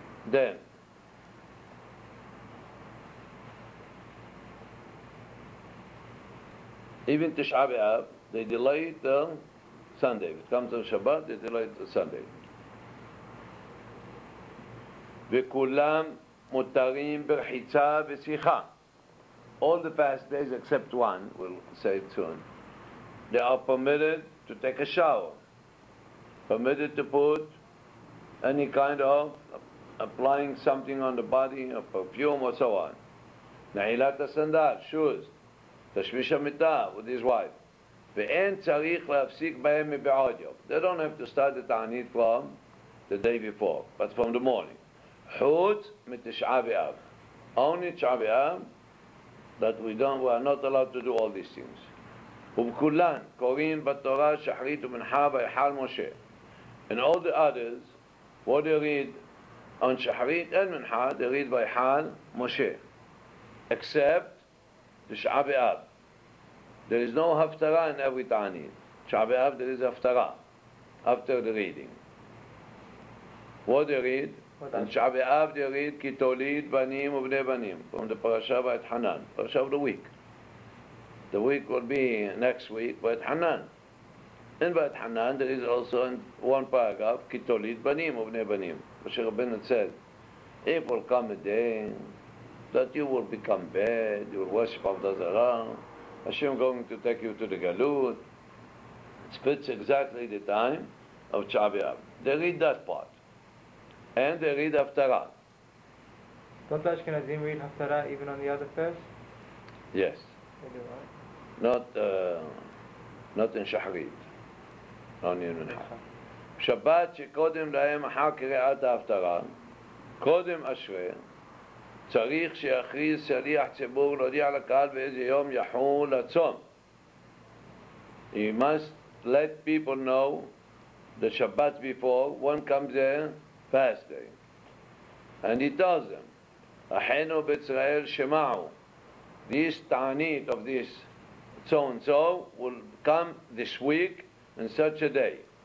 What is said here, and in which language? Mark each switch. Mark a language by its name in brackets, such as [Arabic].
[English] Then, even Tisha B'Av, they delay the Sunday. If it comes on Shabbat, they delay it to Sunday. [Hebrew] וכולם מותרים ברחיצה ושיחה. [English] All the fast days except one, we'll say it soon, they are permitted to take a shower, permitted to put any kind of applying something on the body, a perfume or so on. [Hebrew] נעילת הסנדל, [English] shoes, [Hebrew] תשמיש המיטה [English] with his wife. [Hebrew] ואין צריך להפסיק בהם מבעוד יום. [English] They don't have to start the תענית from the day before, but from the morning. [Hebrew] חוץ מתשעה ואב. [English] Only תשעה ואב, that we are not allowed to do all these things. [Hebrew] ובכולן קוראים בתורה שחרית ומנחה ויחל משה. [English] And all the others, what they read on שחרית and מנחה, they read ויחל משה. Except תשעה ואב. There is no haftara in every ta'anit. Shabbat Av, there is haftara after the reading. What they read? In Shabbat Av, they read Ki Tolid Banim Uvne Banim from the Parashah Vayet Hanan, Parashah of the week. The week will be next week, Vayet Hanan. In Vayet Hanan, there is also in one paragraph Ki Tolid Banim Uvne Banim. Moshe Rabbeinu said, if will come a day that you will become bad, you will worship of the Zara, Hashem going to take you to the Galut. It fits exactly the time of Tshah B'Av. They read that part. And they read Haftarah. Don't the Ashkenazim read Haftarah even on the other fast? Yes. They do, right? Not in Shahrit. Only in Menachah. [Hebrew] Shabbat shekodem lahem ahar kireat Haftarah, kodem Ashrei, צריך שיחריז שליח ציבור להודיע לקהל באיזה יום יחול הצום. [English] He must let people know the Shabbat before when comes the fast day. And he tells them, [Hebrew] אחינו בישראל שמעו, [English] this תענית of this so and so will come this week in such a day.